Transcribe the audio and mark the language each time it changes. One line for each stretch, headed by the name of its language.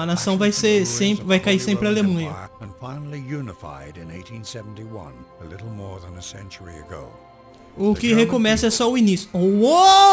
Portuguese: A nação vai ser sempre, vai cair sempre a Alemanha.
English: And finally unified in 1871, a little more than a century ago.
Portuguese: O que recomeça é só o início. Uou!